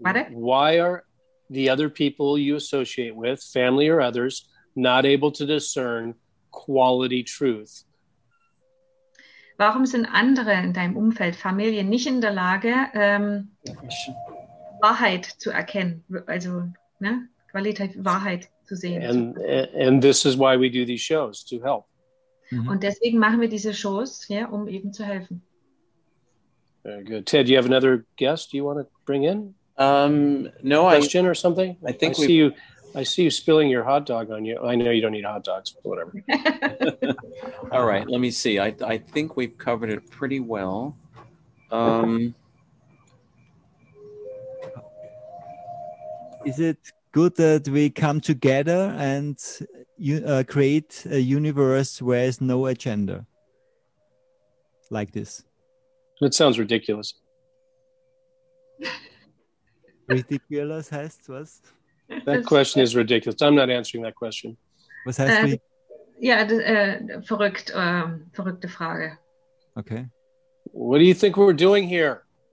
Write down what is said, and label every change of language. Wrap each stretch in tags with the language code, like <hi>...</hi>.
<en>Why are the other people you associate with, family or others, not able to discern quality truth?</en> <de>Warum sind andere in deinem Umfeld, Familie, nicht in der Lage, Wahrheit zu erkennen, also ne, Qualität, Wahrheit zu sehen?</de> <en>And this is why we do these shows, to help. Mm-hmm.</en> <de>Und deswegen machen wir diese Shows, ja, um eben zu helfen.</de> <en>Very good. Ted, do you have another guest you want to bring in? No, question or something? I think I see you. I see you spilling your hot dog on you. I know you don't eat hot dogs, but whatever. All right. Let me see. I think we've covered it pretty well. Is it good that we come together and create a universe where there's no agenda like this? That sounds ridiculous.</en> <de>Ridiculous heißt was?</de> <en>That question is ridiculous. I'm not answering that question.</en> <de>Was heißt wie? Ja, verrückt, verrückte Frage.</de> <en>Okay. What do you think we're doing here?</en>